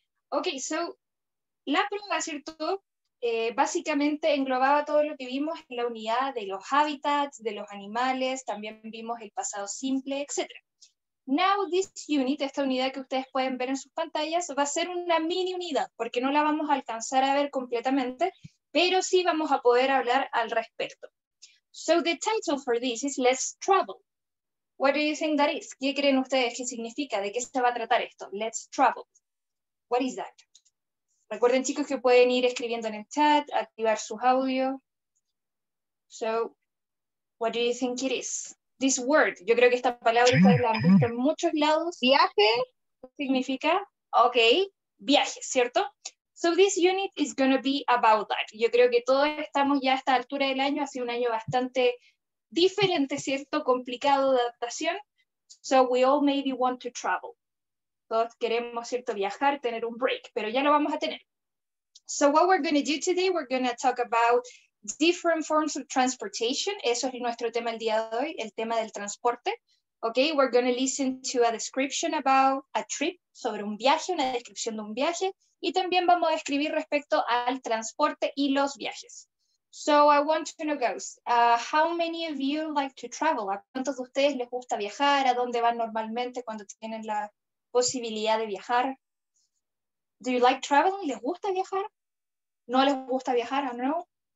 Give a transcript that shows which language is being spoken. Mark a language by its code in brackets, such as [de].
[es] Ok, so, la prueba, ¿cierto? Básicamente englobaba todo lo que vimos en la unidad de los hábitats, de los animales, también vimos el pasado simple, etc. [en] Now this unit, [es] esta unidad que ustedes pueden ver en sus pantallas, va a ser una mini unidad, porque no la vamos a alcanzar a ver completamente, pero sí vamos a poder hablar al respecto. [en] So the title for this is Let's Travel. What do you think that is? [es] ¿Qué creen ustedes que significa? ¿De qué se va a tratar esto? Let's Travel. [en] What is that? [es] Recuerden, chicos, que pueden ir escribiendo en el chat, activar sus audios. [en] So, what do you think it is? This word. [es] Yo creo que esta palabra ustedes la han visto en muchos lados. ¿Viaje? ¿Significa? Ok, viaje, ¿cierto? [en] So, this unit is going to be about that. [es] Yo creo que todos estamos ya a esta altura del año. Ha sido un año bastante diferente, ¿cierto? Complicado de adaptación. [en] So, we all maybe want to travel. [es] Todos queremos, ¿cierto?, viajar, tener un break, pero ya lo vamos a tener. [en] So what we're going to do today, we're going to talk about different forms of transportation. [es] Eso es nuestro tema el día de hoy, el tema del transporte. [en] Okay, we're going to listen to a description about a trip, [es] sobre un viaje, una descripción de un viaje. Y también vamos a escribir respecto al transporte y los viajes. [en] So I want to know, guys, how many of you like to travel? [es] ¿A cuántos de ustedes les gusta viajar? ¿A dónde van normalmente cuando tienen la posibilidad de viajar? [en] Do you like traveling? [es] ¿Les gusta viajar? ¿No les gusta viajar? [en] I don't know.